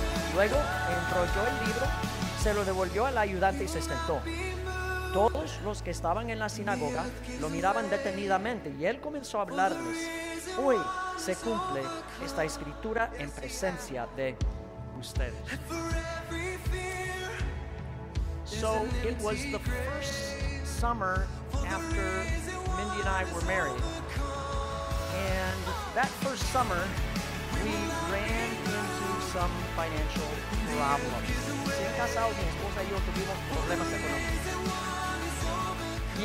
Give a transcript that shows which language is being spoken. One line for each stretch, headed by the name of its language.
Spanish: Luego enrolló el libro, se lo devolvió al ayudante y se sentó. Todos los que estaban en la sinagoga lo miraban detenidamente y él comenzó a hablarles. "Hoy se cumple esta escritura en presencia de ustedes."
English: So it was the first summer after Mindy and I were married. And that first summer, we ran into some financial problems.
Spanish: Se casado, mi esposa y yo tuvimos problemas económicos.